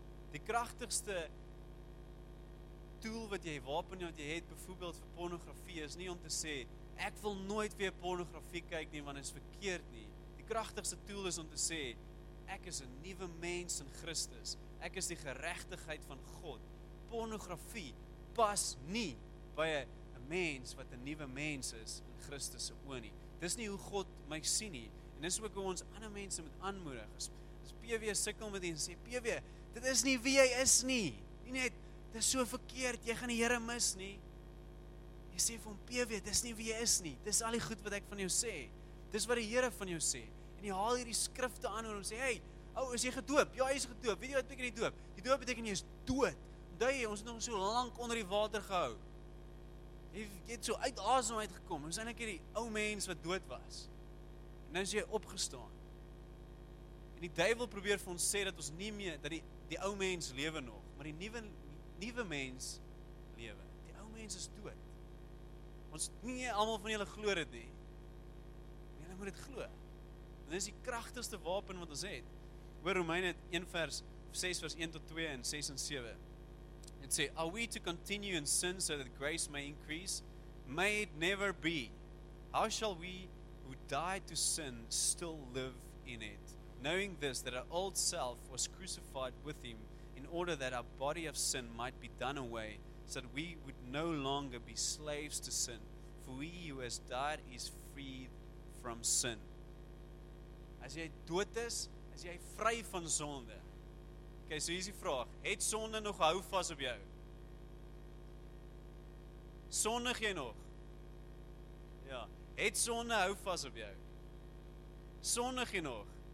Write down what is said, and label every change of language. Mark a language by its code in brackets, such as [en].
[af] Die kragtigste tool wat jy, wapen wat jy het, byvoorbeeld vir pornografie, is nie om te sê, ek wil nooit weer pornografie kyk nie, want dit is verkeerd nie. Die kragtigste tool is om te sê, ek is 'n nuwe mens in Christus. Ek is die geregtigheid van God. Pornografie pas nie by 'n mens wat 'n nuwe mens is in Christus se oë nie. Dis nie hoe God my sien nie. En dis ook hoe ons ander mense moet aanmoedig. As PW sukkel met dit en sê, PW, dit is nie wie jy is nie. Nie net, dit is so verkeerd, jy gaan die Here mis nie. Jy sê vir hom, PW, dis nie wie jy is nie. Dis al die goed wat ek van jou sê. Dis wat die Here van jou sê. En jy haal hierdie skrifte aan en hom sê, hey, ou, is jy gedoop? Ja, jy is gedoop. Weet jy wat beteken die doop? Die doop beteken jy is dood. Onthou jy, ons het nog so lank onder die water gehou. Jy het so uit asem uitgekom. Ons is eintlik hierdie ou mens wat dood was. En nou is jy opgestaan. En die duivel probeer vir ons sê dat ons nie meer, dat die ou mens lewe nog. Maar die nuwe mens lewe. Die ou mens is dood. Ons nie almal van julle glo dit nie. Moet dit glo. En dis die kragtigste wapen wat ons het. Hoor Romeine 1 vers 6 vers 1 tot 2 en 6 en 7. Dit sê, [en] are we to continue in sin so that grace may increase? May it never be. How shall we who died to sin still live in it? Knowing this, that our old self was crucified with him in order that our body of sin might be done away so that we would no longer be slaves to sin. For we who has died is freed from sin. [af] As jy dood is, as jy vry van sonde. Okay, so hier is die vraag. Het sonde nog hou vas op jou? Sondig jy nog? Ja, het sonde hou vas op jou? Sondig jy nog?